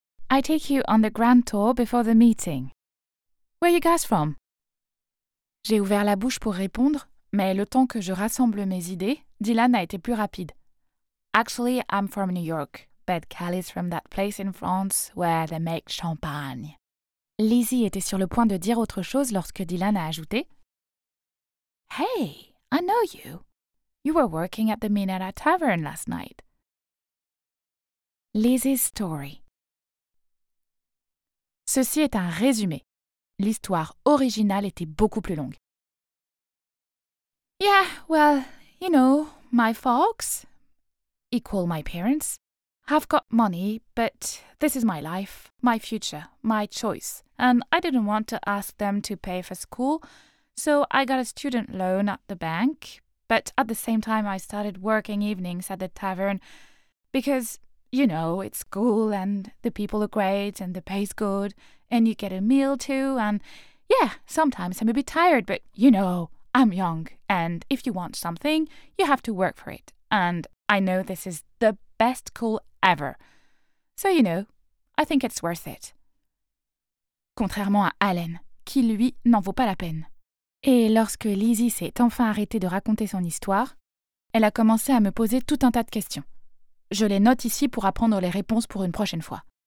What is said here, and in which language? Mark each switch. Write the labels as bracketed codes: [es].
[en] I take you on the grand tour before the meeting. Where you guys from? [fr] J'ai ouvert la bouche pour répondre, mais le temps que je rassemble mes idées, Dylan a été plus rapide. [en] Actually, I'm from New York, but Callie's from that place in France where they make champagne. [fr] Lizzie était sur le point de dire autre chose lorsque Dylan a ajouté. [en] Hey, I know you. You were working at the Minera Tavern last night. Lizzie's story. [fr] Ceci est un résumé. L'histoire originale était beaucoup plus longue. [en] Yeah, well, you know, my folks, equal my parents, have got money, but this is my life, my future, my choice, and I didn't want to ask them to pay for school, so I got a student loan at the bank. But at the same time, I started working evenings at the tavern because, you know, it's cool and the people are great and the pay's good and you get a meal too. And yeah, sometimes I'm a bit tired, but you know, I'm young and if you want something, you have to work for it. And I know this is the best school ever. So, you know, I think it's worth it. [fr] Contrairement à Alan, qui lui n'en vaut pas la peine. Et lorsque Lizzie s'est enfin arrêtée de raconter son histoire, elle a commencé à me poser tout un tas de questions. Je les note ici pour apprendre les réponses pour une prochaine fois.